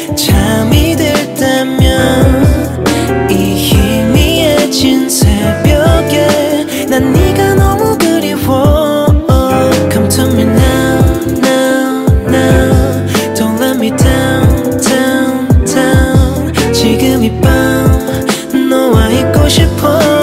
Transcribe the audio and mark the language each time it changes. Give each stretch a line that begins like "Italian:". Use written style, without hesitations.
Korean: 잠이 들 때면 이 희미해진 새벽에 난 네가 너무 그리워.
English: Come to me now, now, now. Don't let me down, down, down.
Korean: 지금 이 밤 너와 있고 싶어.